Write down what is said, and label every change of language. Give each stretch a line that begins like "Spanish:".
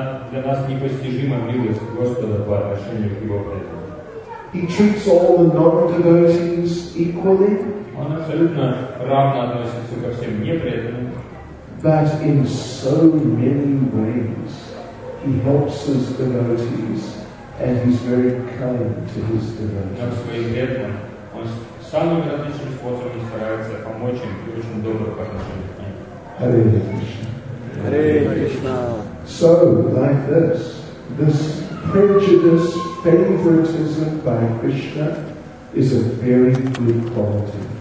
Russian: Для нас непостижима милость Господа по отношению к Его преданным.
English: He treats all the non-devotees equally.
Russian: Он абсолютно равно относится ко всем непреданным.
English: But in so many ways he helps his devotees and he's very kind to his devotees.
Russian: Как своим преданным, он самым различным способом старается помочь им и очень добр по отношению к ним.
English: Hare Krishna. Hare Krishna. So, like this, this prejudice, favoritism by Krishna is a very good quality.